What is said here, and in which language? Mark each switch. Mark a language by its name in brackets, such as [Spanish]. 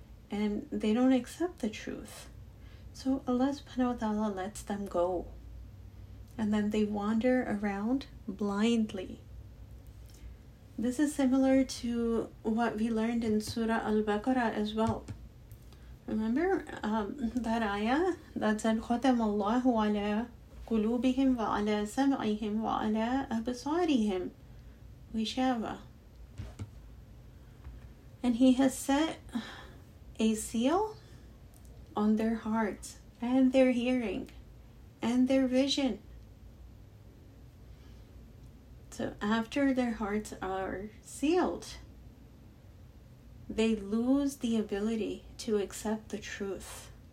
[English] And they don't accept the truth. So Allah subhanahu wa ta'ala lets them go. And then they wander around blindly. This is similar to what we learned in Surah Al-Baqarah as well. Remember that ayah that said, [Arabic] خَتَمَ اللَّهُ عَلَىٰ قُلُوبِهِمْ وَعَلَىٰ سَمْعِهِمْ وَعَلَىٰ أَبْصَارِهِمْ غِشَاوَةً. [English] And he has set a seal on their hearts and their hearing and their vision. So after their hearts are sealed, they lose the ability to accept the truth.